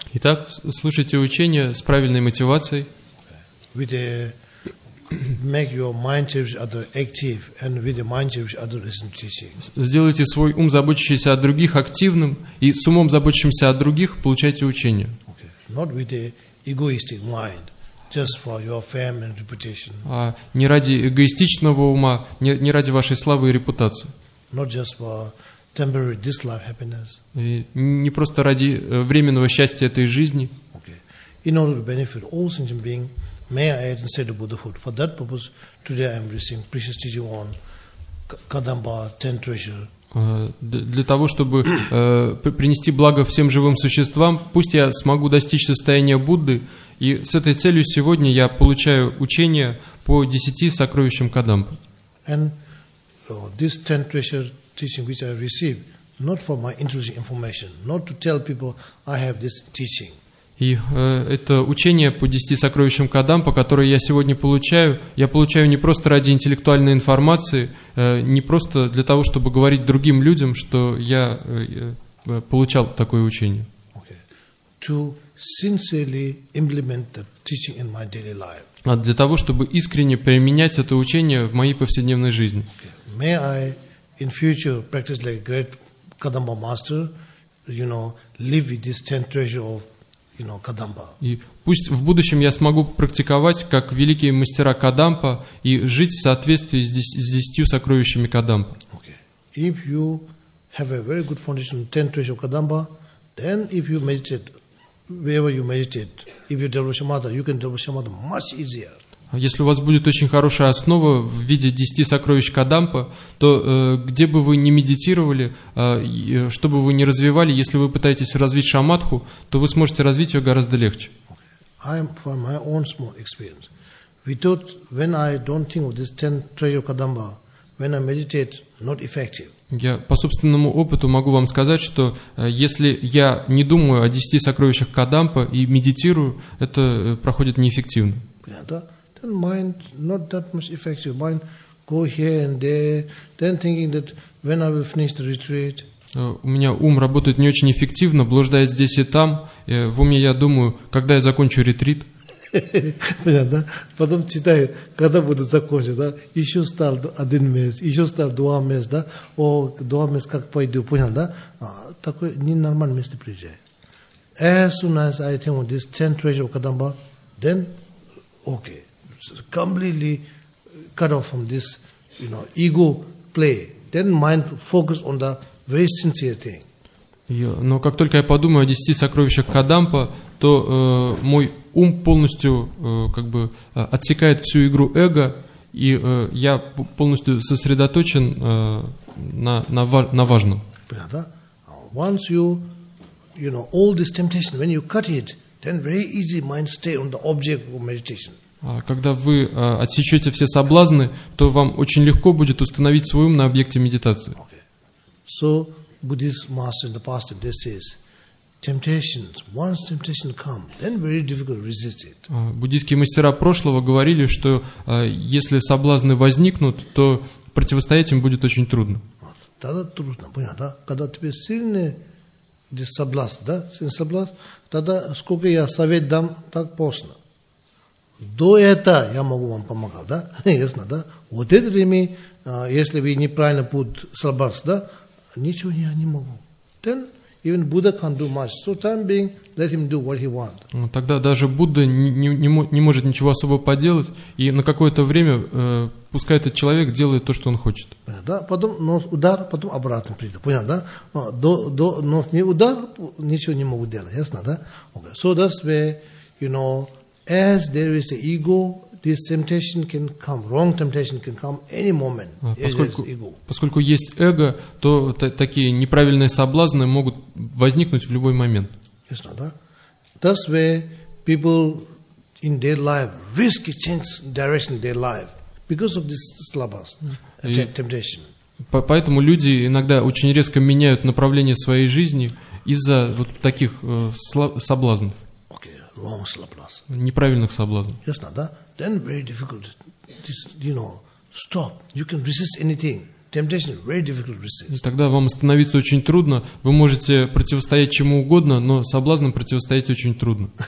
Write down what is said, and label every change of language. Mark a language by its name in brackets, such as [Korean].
[Russian] Итак, слушайте учение с правильной мотивацией. [English] With the make your mind change other active and with the mind change other listen to teaching. [Russian] Сделайте свой ум, заботящийся о других, активным и с умом, заботящимся о других, получайте учение. [English] Okay. Not with the egoistic mind. Just for your fame and reputation. [Russian] А не ради эгоистичного ума, не ради вашей славы и репутации. [English] Not just for temporary this life happiness. [Russian] И не просто ради временного счастья этой жизни. [English] Okay. In order to benefit all sentient beings, may I add and say the Buddhahood. For that purpose, today I am receiving precious teaching on Kadamba, ten treasure. [Russian] Для того, чтобы принести благо всем живым существам, пусть я смогу достичь состояния Будды, и с этой целью сегодня я получаю учение по 10 сокровищам Кадамбы. [English] And this ten treasure teaching which I received, not for my interesting information, not to tell people I have this teaching. [Russian] И это учение по 10 сокровищам Кадампа, которое я сегодня получаю, я получаю не просто ради интеллектуальной информации, не просто для того, чтобы говорить другим людям, что я получал такое учение. [English] Okay. To sincerely implement the teaching in my daily life. [Russian] А для того, чтобы искренне применять это учение в моей повседневной жизни. [English] Okay. May I in future practice like a great Kadampa master, you know, live with this ten treasure of [Russian] И пусть в будущем я смогу практиковать как великие мастера Кадампа и жить в соответствии с 10 сокровищами Кадампа. [English] Okay. If you have a very good foundation, 10 treasures of Kadampa, then if you meditate, wherever you meditate, if you develop samatha, you can develop samatha much easier. [Russian] Если у вас будет очень хорошая основа в виде 10 сокровищ Кадампа, то где бы вы ни медитировали, что бы вы ни развивали, если вы пытаетесь развить шамадху, то вы сможете развить ее гораздо легче. [English] I am from my own small experience. Without, when I don't think of this 10 treasure Kadampa, when I meditate, not effective. [Russian] Я по собственному опыту могу вам сказать, что если я не думаю о 10 сокровищах Кадампа и медитирую, это проходит неэффективно. [English] Mind not that much effective. Mind go here and there, then thinking that when I will finish the retreat. [Russian] У меня ум работает не очень эффективно, блуждая здесь и там. В уме я думаю, когда я закончу ретрит. Понятно, да? Потом читаю, когда буду закончить, да? Еще стал один месяц, еще стал два месяца, да? О, два месяца как пойду, понял, да? Такое ненормальное место приезжает. [English] As soon as I think of this ten treasure of Kadamba, then okay. Completely cut off from this, you know, ego play. Then mind focus on the very sincere thing. [Russian] Но как только я подумаю о 10 сокровищах Кадампа, то мой ум полностью как бы отсекает всю игру эго, и я полностью сосредоточен на важном. Понятно? [English] Once you, you know, all this temptation, when you cut it, then very easy mind stay on the object of meditation. [Russian] Когда вы отсечете все соблазны, то вам очень легко будет установить свой ум на объекте медитации. [English] Okay. So, Buddhist master in the past time, this is temptations. Once temptation comes, then very difficult to resist it. [Russian] Буддийские мастера прошлого говорили, что если соблазны возникнут, то противостоять им будет очень трудно. Вот. Тогда трудно, понятно, да? Когда тебе сильные соблазны, да? Сильный соблазн, тогда сколько я совет дам, так поздно. До этого я могу вам помогать, да? Ясно, да? Вот это время, если вы неправильно путь слабас, да? Ничего я не могу. [English] Then even Buddha can't do much. So time being, let him do what he want. [Russian] Тогда даже Будда не может ничего особо поделать, и на какое-то время пускай этот человек делает то, что он хочет. Понятно, да? Потом нос удар, потом обратно придет. Понятно, да? До нос не удар, ничего не могу делать. Ясно, да? [English] Okay. So that's where, you know, as there is an ego, this temptation can come. Wrong temptation can come any moment. [Russian] Поскольку есть эго, то такие неправильные соблазны могут возникнуть в любой момент. [English] Yes, no, [Russian] да? [English] That's where people in their life risky change direction their life because of this slabas, temptation. [Russian] Поэтому люди иногда очень резко меняют направление своей жизни из-за вот таких соблазнов. [English] Wrong slabas. [Russian] Неправильных соблазнов. Ясно, да? [English] Then very difficult. This, you know, stop. You can resist anything. Temptation is very difficult to resist. [Russian] Тогда вам становиться очень трудно. Вы можете противостоять чему угодно, но соблазнам противостоять очень трудно.